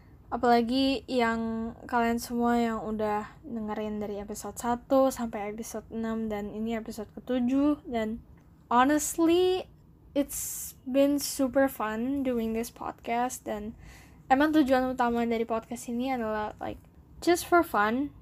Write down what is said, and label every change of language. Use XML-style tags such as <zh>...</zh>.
<id>Apalagi yang kalian semua yang udah dengerin dari episode 1 sampai episode 6 dan ini episode ke-7.</id> <en>Dan honestly, it's been super fun doing this podcast.</en> <id>Dan emang tujuan utama dari podcast ini adalah</id> <en>like just for fun.</en>